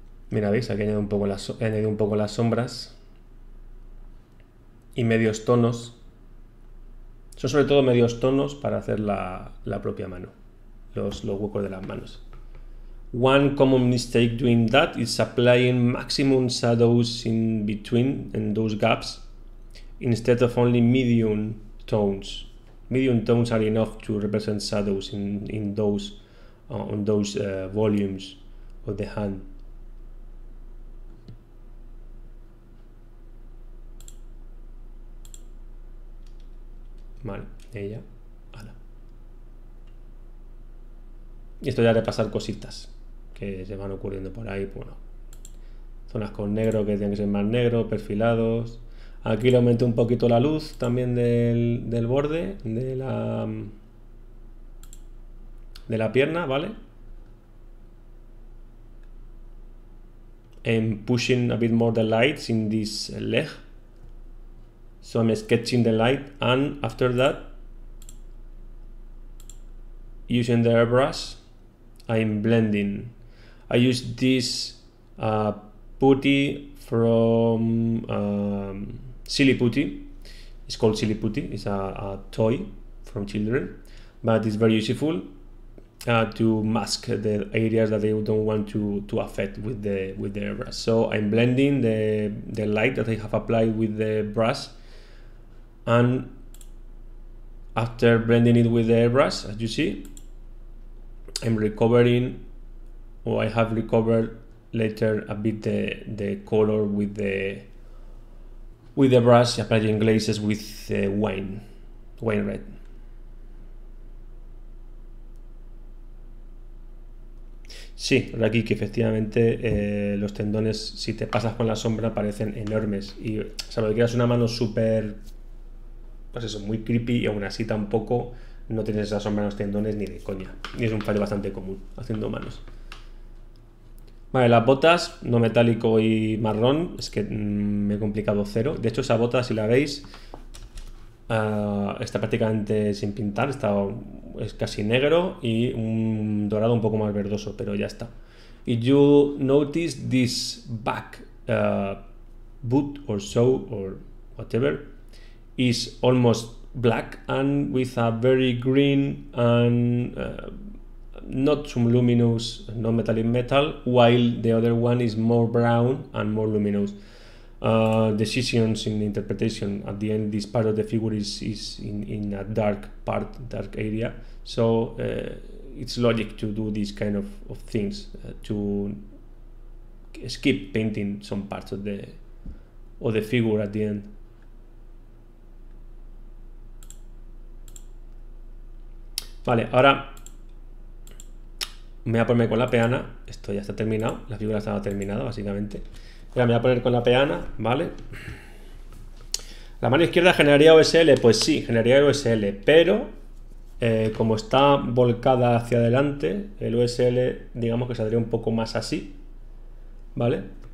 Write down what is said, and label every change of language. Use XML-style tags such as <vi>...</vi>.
<es>Mira, veis, aquí he añadido un poco las sombras y medios tonos. Son sobre todo medios tonos para hacer la propia mano, los huecos de las manos.</es> <en>One common mistake doing that is applying maximum shadows in between, in those gaps, instead of only medium tones. Medium tones are enough to represent shadows in those on those volumes of the hand.</en> <es>Vale, ella. Ala. Y esto ya de pasar cositas que se van ocurriendo por ahí. Bueno, zonas con negro que tienen que ser más negro, perfilados. Aquí le aumento un poquito la luz también del borde de la pierna, ¿vale?</es> <en>I'm pushing a bit more the lights in this leg. So I'm sketching the light and after that, using the airbrush, I'm blending. I use this putty from Silly Putty, it's called Silly Putty, it's a toy from children, but it's very useful to mask the areas that they don't want to affect with the airbrush. So I'm blending the light that I have applied with the brush, and after blending it with the airbrush, as you see, I'm recovering, or I have recovered later a bit the color with the brush, applying glazes with wine red.</en> <es>Sí, aquí que efectivamente los tendones, si te pasas con la sombra, parecen enormes. Y salvo que quieras una mano súper, pues eso, muy creepy, y aún así tampoco no tienes esa sombra en los tendones ni de coña. Y es un fallo bastante común haciendo manos. Vale, las botas, no metálico y marrón, es que me he complicado cero. De hecho, esa bota, si la veis, está prácticamente sin pintar, es casi negro y un dorado un poco más verdoso, pero ya está.</es> <en>You notice this back boot or so or whatever is almost black and with a very green and not so luminous, non-metallic metal, while the other one is more brown and more luminous. Decisions in the interpretation. At the end, this part of the figure is in a dark part, dark area. So it's logic to do these kind of things, to skip painting some parts of the figure at the end.</en> <es>Vale, ahora me voy a poner con la peana. Esto ya está terminado. La figura estaba terminada, básicamente. Ya me voy a poner con la peana, ¿vale? ¿La mano izquierda generaría OSL? Pues sí, generaría OSL, pero como está volcada hacia adelante, el OSL, digamos que saldría un poco más así, ¿vale?</es>